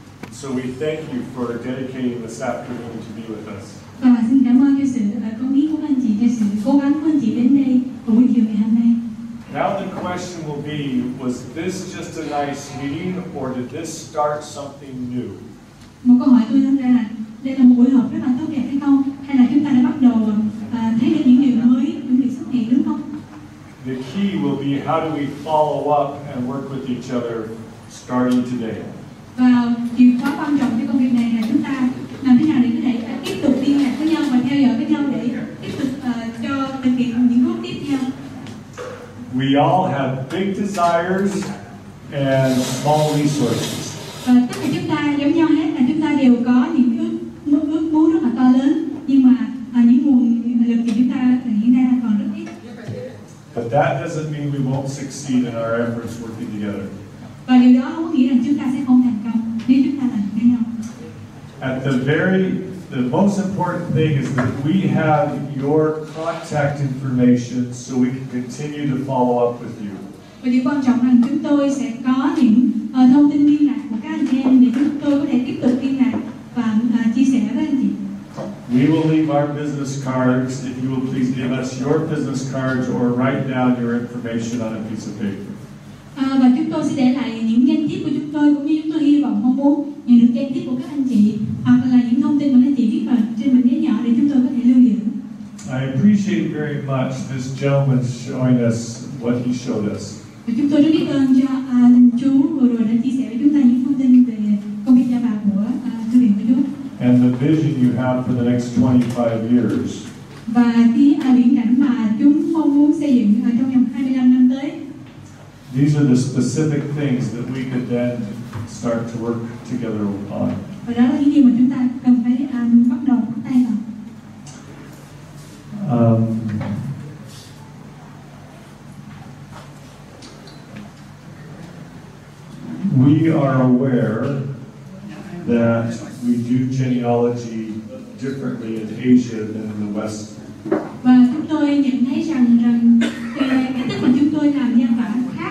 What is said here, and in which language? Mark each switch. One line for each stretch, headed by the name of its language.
English: So we thank you for dedicating this afternoon to be with us.
Vietnamese: Và xin cảm ơn cho sự công hiến của anh chị, cho sự cố gắng của anh chị đến đây cùng với chiều ngày hôm nay.
English: Now the question will be, was this just a nice meeting or did this start something new?
Vietnamese: Một câu hỏi tôi đặt ra là, đây là một buổi họp rất là tốt đẹp hay không? Hay là chúng ta đã bắt đầu thấy được những điều mới, những việc xuất hiện đúng không?
English: The key will be, how do we follow up and work with each other starting today?
Vietnamese: Và điều quá quan trọng cho công việc này là chúng ta làm thế nào để có thể tiếp tục liên lạc với nhau và theo dõi với nhau để tiếp tục cho thực hiện những bước tiếp theo.
English: We all have big desires and small resources.
Vietnamese: Tất cả chúng ta giống nhau hết là chúng ta đều có những ước muốn rất là to lớn, nhưng mà những nguồn lực của chúng ta hiện nay còn rất ít.
English: But that doesn't mean we won't succeed in our efforts working together.
Vietnamese: Và điều đó không nghĩa rằng chúng ta sẽ không thành công nếu chúng ta làm với nhau.
English: At the very, the most important thing is that we have your contact information so we can continue to follow up with you.
Vietnamese: Và điều quan trọng là chúng tôi sẽ có những thông tin liên lạc của các anh em để chúng tôi có thể tiếp tục liên lạc và chia sẻ với anh chị.
English: We will leave our business cards. If you will please give us your business cards or write down your information on a piece of paper.
Vietnamese: Và chúng tôi sẽ để lại những danh thiếp của chúng tôi cũng như chúng tôi hy vọng mong muốn nhận được danh thiếp của các anh chị hoặc là những thông tin mà anh chị viết vào trên mảnh giấy nhỏ để chúng tôi có thể lưu giữ.
English: I appreciate very much this gentleman showing us what he showed us.
Vietnamese: Và chúng tôi rất biết ơn cho anh chú vừa rồi đã chia sẻ với chúng ta những thông tin về công việc gia bảo của thư viện của chúng.
English: And the vision you have for the next 25 years.
Vietnamese: Và cái viễn cảnh mà chúng mong muốn xây dựng trong vòng 25 năm tới.
English: These are the specific things that we could then start to work together on.
Vietnamese: Và đó là những gì mà chúng ta cần phải bắt đầu bắt tay vào.
English: We are aware that we do genealogy differently in Asia than in the West.
Vietnamese: Và chúng tôi nhận thấy rằng cái cách mà chúng tôi làm nhân bản